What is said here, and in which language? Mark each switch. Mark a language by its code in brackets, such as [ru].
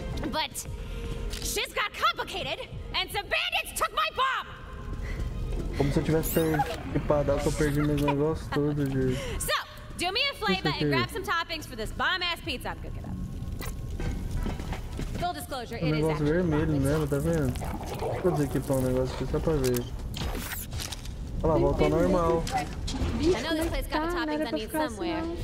[en] But she's got complicated and some bandits took my bomb. [pt] Como se eu tivesse equipado, eu tô perdendo meus negócios tudo, gente. [en] So, do me a flavor and grab some toppings for this bomb ass pizza I'm cooking up. Full disclosure, it is [pt] negócio vermelho mesmo, tá vendo? Vou desequipar um negócio aqui só pra ver. Olha lá, voltou ao normal. [en] I know this place got the toppings I need somewhere.